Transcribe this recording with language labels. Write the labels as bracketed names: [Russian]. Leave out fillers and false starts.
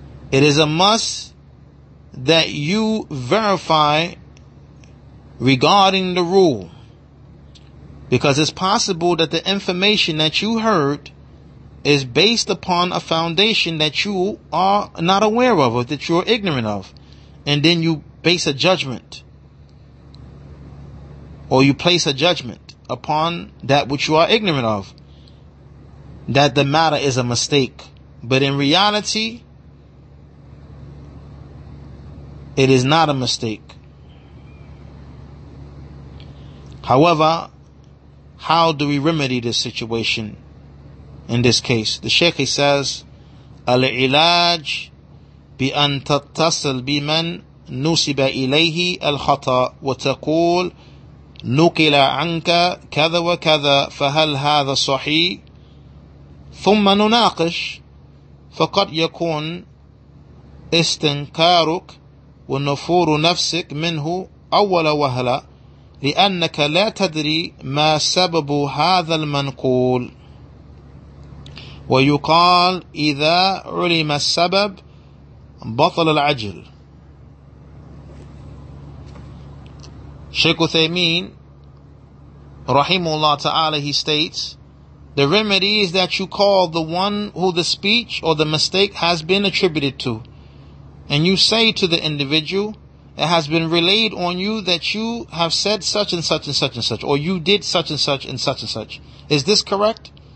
[English] It is a must that you verify regarding the rule, because it's possible that the information that you heard is based upon a foundation that you are not aware of, or that you are ignorant of, and then you base a judgment, or you place a judgment upon that which you are ignorant of, that the matter is a mistake. But in reality, it is not a mistake. However, how do we remedy this situation in this case? The Sheikh, he says, [Arabic] العلاج بأن تتصل بمن نسب إليه الخطأ وتقول نقل عنك كذا وكذا فهل هذا صحيح ثم نناقش فقد يكون استنكارك ونفور نفسك منه أول وهلة لأنك لا تدري ما سبب هذا المنقول ويقال إذا علم السبب بطل العجل. [English] Sheikh Uthaymeen rahimullah ta'ala, he states, the remedy is that you call the one who the speech or the mistake has been attributed to, and you say to the individual, it has been relayed on you that you have said such and such and such and such, or you did such and such and such and such. Is this correct?